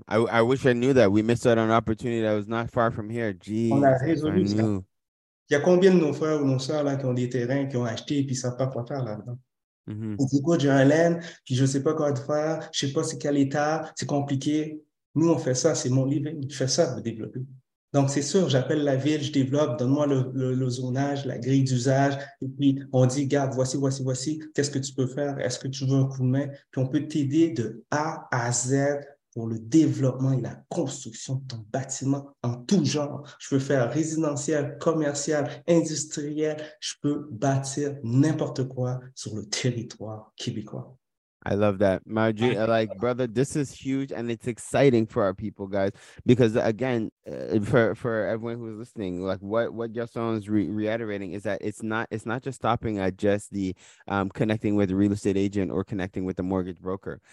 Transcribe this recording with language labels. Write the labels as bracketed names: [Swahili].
[English] I wish I knew that. We missed out on an opportunity that was not far from here. Jeez. [French] On a résolu ça. Il y a combien de nos frères ou nos soeurs là, qui ont des terrains, qui ont acheté et qui ne savent pas quoi faire là-dedans? Mm-hmm. Ou écoute, j'ai un land, puis je ne sais pas quoi faire, je ne sais pas c'est quel état, c'est compliqué. Nous, on fait ça, c'est mon living. Je fais ça pour développer. Donc, c'est sûr, j'appelle la ville, je développe, donne-moi le zonage, la grille d'usage. Et puis, on dit, garde, voici, qu'est-ce que tu peux faire? Est-ce que tu veux un coup de main? Puis, on peut t'aider de A à Z pour le développement et la construction de ton bâtiment en tout genre. Je peux faire résidentiel, commercial, industriel. Je peux bâtir n'importe quoi sur le territoire québécois. [English] I love that. Marjorie, like, brother, this is huge and it's exciting for our people, guys. Because, again, for everyone who's listening, like, what Gerson is reiterating is that it's not just stopping at just the connecting with a real estate agent or connecting with a mortgage broker.